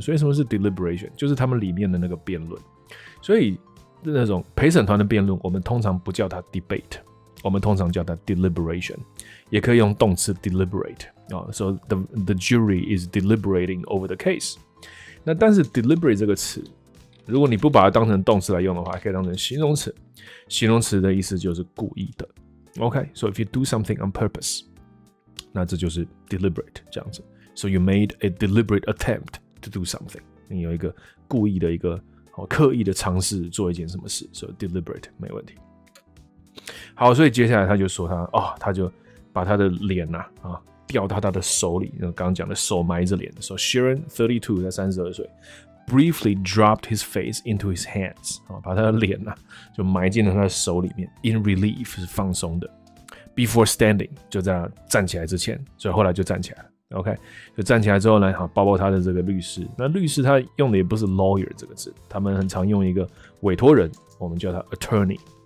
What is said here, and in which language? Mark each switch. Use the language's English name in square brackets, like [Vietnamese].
[Chinese] 所以什么是 deliberation？ 就是他们里面的那个辩论。所以那种陪审团的辩论，我们通常不叫它 debate， 我们通常叫它 deliberation， 也可以用动词 deliberate、oh, [English] so the jury is deliberating over the case。 [Chinese] 那但是 deliberate 这个词，如果你不把它当成动词来用的话，可以当成形容词。形容词的意思就是故意的。 [English] OK， so if you do something on purpose， [Chinese] 那这就是 [English] deliberate [Chinese] 这样子。 [English] So you made a deliberate attempt to do something， [Chinese] 你有一个故意的一个、哦、刻意的尝试做一件什么事。 So deliberate 没问题。好，所以接下来他就说他哦，他就把他的脸呐 啊掉到他的手里，刚刚讲的手埋着脸。 So Sharon 32，他32岁。 [English] Briefly dropped his face into his hands， [Chinese] 把他的脸、啊、就埋进了他的手里面。 In relief 是放松的。 [English] Before standing [Chinese] 就在站起来之前，所以后来就站起来了。 OK， 就站起来之后呢，好，抱抱他的这个律师。那律师他用的也不是 lawyer 这个字，他们很常用一个委托人，我们叫他 attorney。